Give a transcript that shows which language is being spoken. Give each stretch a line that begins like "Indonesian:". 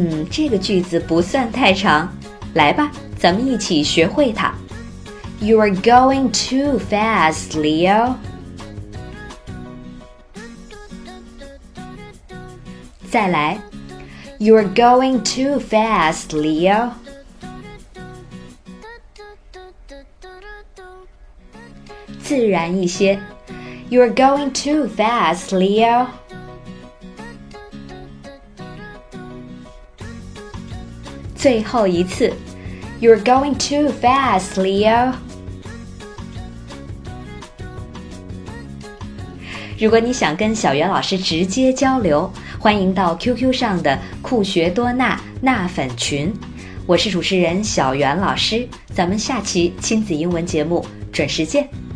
Chinese: 这个句子不算太长，来吧，咱们一起学会它。
English: You are going too fast, Leo.
Chinese: 再来，
English: You are going too fast, Leo.
Chinese: 自然一些，
English: You are going too fast, Leo.
Chinese: 最后一次，
English: You're going too fast, Leo.
Chinese: 如果你想跟小袁老师直接交流，欢迎到 QQ 上的酷学多纳纳粉群。我是主持人小袁老师，咱们下期亲子英文节目准时见。